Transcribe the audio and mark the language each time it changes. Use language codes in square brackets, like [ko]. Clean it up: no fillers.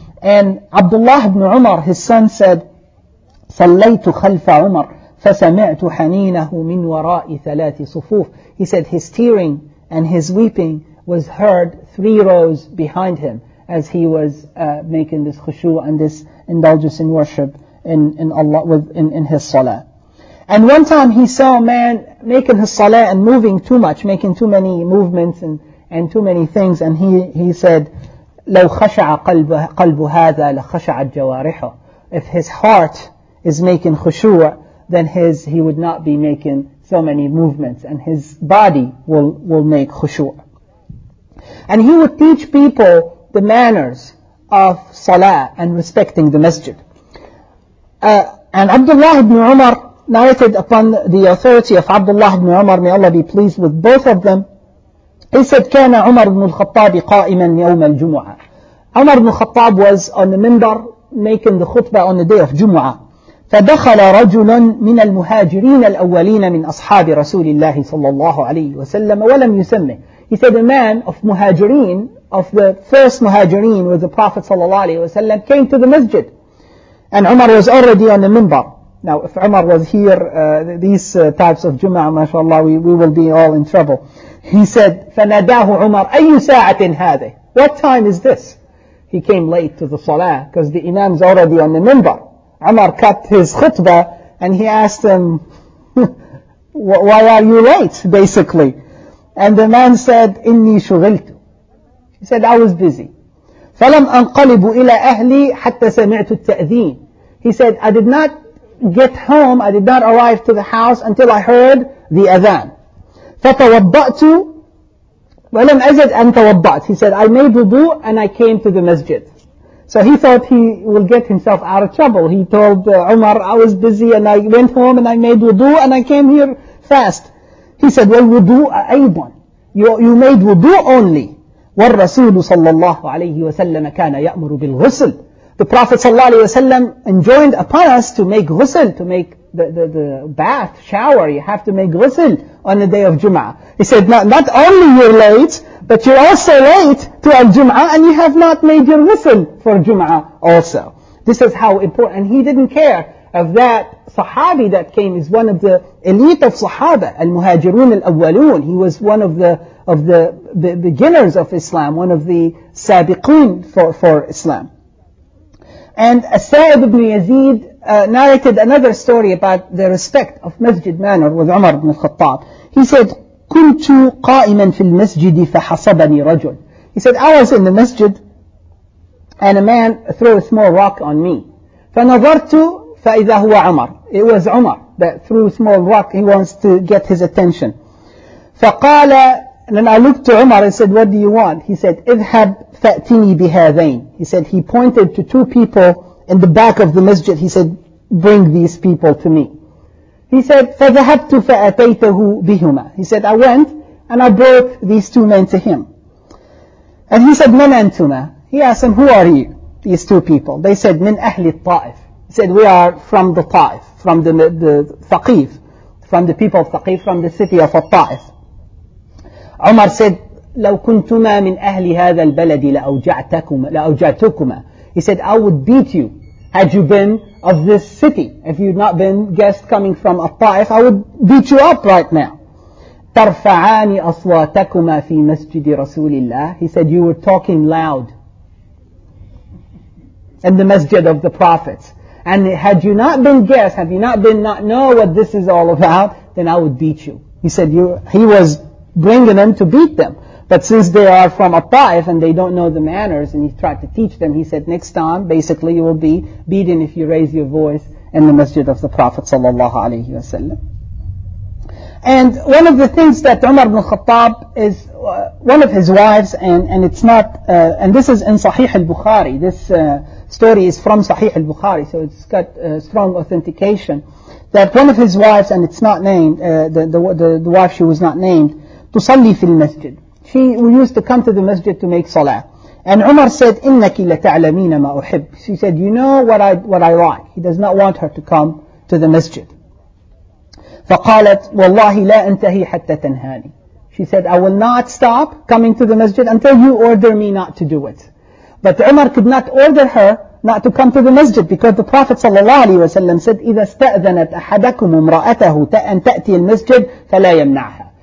[en] And Abdullah ibn Umar, his son, said, [ar] صَلَّيْتُ خَلْفَ عُمَرٍ فَسَمِعْتُ حَنِينَهُ مِنْ وَرَاءِ ثَلَاثِ صُفُوفٍ. [en] He said his tearing and his weeping was heard three rows behind him as he was making this khushu and this indulgence in worship in Allah in his salah. And one time he saw a man making his salah and moving too much, making too many movements and too many things, and he said, [ar] لَوْ خَشَعَ قَلْبُ هَذَا لَخَشَعَتْ جَوَارِحُ. [en] If his heart is making khushu, then he would not be making so many movements, and his body will make khushu'. And he would teach people the manners of salah and respecting the masjid. And Abdullah ibn Umar narrated upon the authority of Abdullah ibn Umar, may Allah be pleased with both of them. He said, [ar] كان عمر بن الخطاب قائما يوم الجمعة. [en] Umar ibn al-Khattab was on the minbar making the khutbah on the day of Jumu'ah. [ar] فدخل رجل من المهاجرين الأولين من أصحاب رسول الله صلى الله عليه وسلم ولم يسمه. [en] He said a man of muhajirin, of the first muhajirin with the Prophet صلى الله عليه وسلم, came to the masjid. And Umar was already on the minbar. Now if Umar was here, these types of Jumu'ah, mashallah, we will be all in trouble. He said, [ar] فناداه عمر أي ساعة هذه. [en] What time is this? He came late to the salah because the imam is already on the minbar. Umar cut his khutbah and he asked him, why are you late, basically? And the man said, [ar] إِنِّي شُغِلْتُ. [en] He said, I was busy. [ar] فَلَمْ أَنْقَلِبُ إِلَىٰ أَهْلِي حَتَّى سَمِعْتُ التَّأْذِينَ. [en] He said, I did not get home, I did not arrive to the house until I heard the adhan. [ar] فَتَوَضَّأْتُ وَلَمْ أَجَدْ أَنْ تَوَضَّأْتُ. [en] He said, I made wudu and I came to the masjid. So he thought he will get himself out of trouble. He told Umar, I was busy and I went home and I made wudu and I came here fast. He said, well, wudu aibun. You made wudu only. [ar] والرسول صلى الله عليه وسلم كان يأمر بالغسل. [en] The Prophet صلى الله عليه وسلم enjoined upon us to make ghusl, to make the bath, shower. You have to make ghusl on the day of Jum'ah. He said, not only you're late, but you're also late to Al-Jum'ah and you have not made your ghusl for Jum'ah also. This is how important. And he didn't care if that Sahabi that came is one of the elite of Sahaba, Al-Muhajirun Al-Awwalun. He was one of the beginners of Islam, one of the Sabiqeen for Islam. And As-Sa'ib ibn Yazid narrated another story about the respect of masjid manner with Umar ibn al-Khattab. He said, [ar] كنت قائما في المسجد فحصبني رجل. [en] He said, I was in the masjid and a man threw a small rock on me. [ar] فنظرت فإذا هو عمر. [en] It was Umar that threw a small rock. He wants to get his attention. [ar] فقال, [en] and then I looked to Umar and said, what do you want? He said, [ar] اذهب فأتني بهذين. [en] He said, he pointed to two people in the back of the masjid. He said, bring these people to me. He said, [ar] فذهبت فأتيته بهما. [en] He said, I went and I brought these two men to him. And he said, [ar] من أنتما? [en] He asked him, who are you, these two people? [ar] They said, من أهل الطائف. [en] He said, we are from the Taif, from the Thaqif, from the people of Thaqif, from the city of Taif. Umar said, [ar] لو كنتما من أهل هذا البلد لأوجعتكما. [en] He said, I would beat you had you been of this city. If you had not been guests coming from Taif, I would beat you up right now. [ar] ترفعان أصواتكما في مسجد رسول الله. [en] He said, you were talking loud in the masjid of the prophets. And had you not been guests, have you not been not know what this is all about, then I would beat you. He said, he was bringing them to beat them. But since they are from Taif and they don't know the manners, and he tried to teach them, he said, next time, basically, you will be beaten if you raise your voice in the masjid of the Prophet sallallahu alayhi wa sallam. And one of the things that Umar ibn Khattab is one of his wives, and it's not, and this is in Sahih al-Bukhari. This story is from Sahih al-Bukhari, so it's got strong authentication. That one of his wives, and it's not named, the wife, she was not named, [ar] تصلي في المسجد. [en] She used to come to the masjid to make salah. And Umar said, [ar] إِنَّكِ لَتَعْلَمِينَ مَا أُحِبْ. [en] She said, you know what I like. He does not want her to come to the masjid. [ar] فَقَالَتْ وَاللَّهِ لَا أَنْتَهِي حَتَّى تَنْهَانِي. [en] She said, I will not stop coming to the masjid until you order me not to do it. But Umar could not order her not to come to the masjid because the Prophet ﷺ said, [ar] إِذَا اسْتَأْذَنَتْ أَحَدَكُمُ امْرَأَتَهُ أَنْ تَأْتِي الْمَسْجِدْ فَلَا يَمْنَعْهَا.